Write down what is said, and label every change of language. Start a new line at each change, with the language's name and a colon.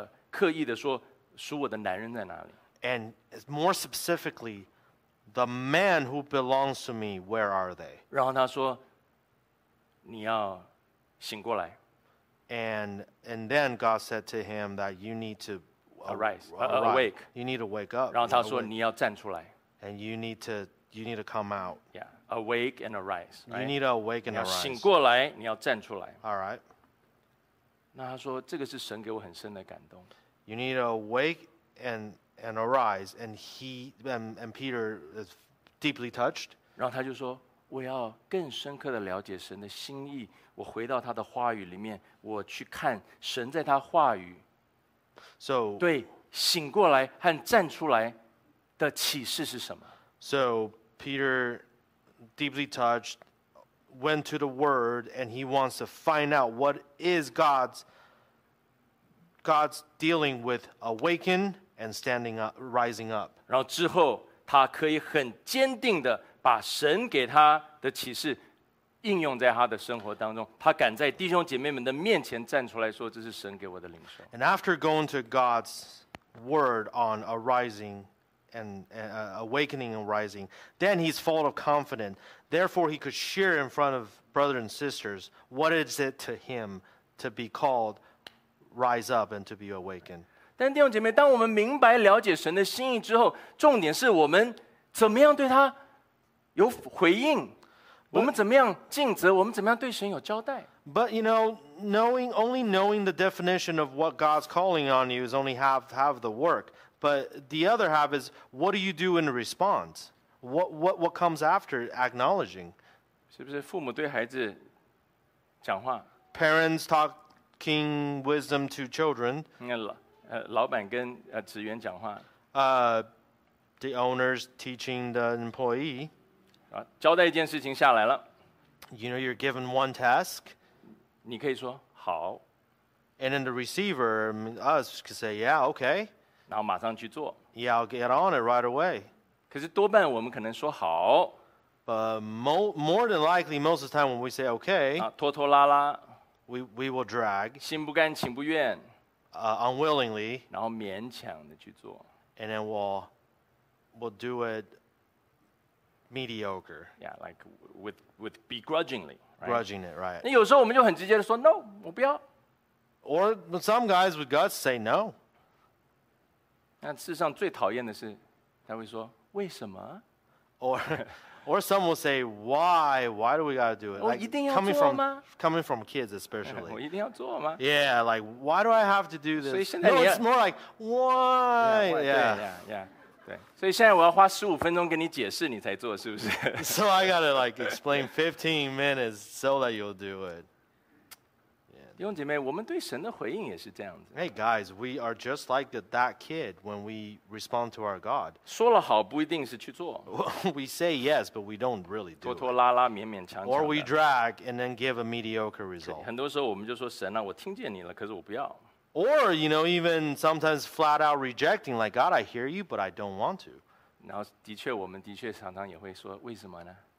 Chinese: 刻意的说，属我的男人在哪里？
English: And more specifically, the man who belongs to me, where are they?
Chinese: 然后他说，你要醒过来。
English: And then God said to him that you need to arise, awake. You need to wake up.
Chinese: 然后他说你要站出来。
English: And you need to come out. Yeah, awake and arise. You need to awake and arise.
Chinese: 你要醒过来，你要站出来。
English: All right.
Chinese: 那他说这个是神给我很深的感动。
English: You need to awake and arise. And he and Peter is deeply touched.
Chinese: 然后他就说，我要更深刻的了解神的心意，我回到他的话语里面，我去看神在他话语对醒过来和站出来的启示是什么。
English: So Peter, deeply touched, went to the word, and he wants to find out what is God's God's dealing with awaken and standing up, rising up.
Chinese: 然后之后，他可以很坚定的把神给他的启示应用在他的生活当中。他敢在弟兄姐妹们的面前站出来说：“这是神给我的领受。”
English: And after going to God's word on arising and awakening and rising, then he's full of confidence. Therefore, he could share in front of brothers and sisters what is it to him to be called rise up and to be awakened.
Chinese: 但弟兄姐妹，当我们明白了解神的心意之后，重点是我们怎么样对他有回应。我们怎么样尽责？我们怎么样对神有交代
English: ？But you know, knowing the definition of what God's calling on you is only half the work. But the other half is what do you do in response? What comes after acknowledging?
Chinese: 是不是父母对孩子讲话
English: ？Parents talking wisdom to children.
Chinese: 老板跟职员讲话。
English: The owners teaching the employee.
Chinese: 交代一件事情下来了
English: You know, you're given one task.
Chinese: 你可以说好
English: And then the receiver, us, could say, yeah, okay.
Chinese: 然后马上去做
English: Yeah, I'll get on it right away.
Chinese: 可是多半我们可能说好
English: But more than likely, most of the time when we say okay,
Chinese: 拖拖拉拉
English: we will drag.
Chinese: 心不甘情不愿
English: Unwillingly.
Chinese: 然后勉强的去做
English: And then we'll do it. Mediocre, yeah, like with begrudgingly, right? Grudging it, right?
Chinese: 那有时候我们就很直接的说 ，
English: No,
Chinese: 我不要。
English: Or some guys with guts say no.
Chinese: 那事实上最讨厌的是，他会说为什么
English: ？Or some will say why? Why do we got to do it?
Chinese: 我一定要做吗
English: coming from kids especially.
Chinese: 我一定要做吗
English: ？Yeah, like why do I have to do this?
Chinese: 所以现在你
English: no, it's more like why? Yeah.
Chinese: 对，所以现在我要花15分钟跟你解释，你才做，是不是
English: ？So I gotta like explain 15 minutes so that you'll do it.
Chinese: 弟兄姐妹，我们对神的回应也是这样子。
English: Hey guys, we are just like that kid when we respond to our God.
Chinese: 说了好不一定是去做。
English: We say yes, but we don't really do.
Chinese: 拖拖拉拉，勉勉强强。
English: Or we drag and then give a mediocre result.
Chinese: 很多时候我们就说神啊，我听见你了，可是我不要。
English: Or, you know, even sometimes flat out rejecting, like, God, I hear you, but I don't want to.
Chinese: 然后的确我们的确常常也会说为什么呢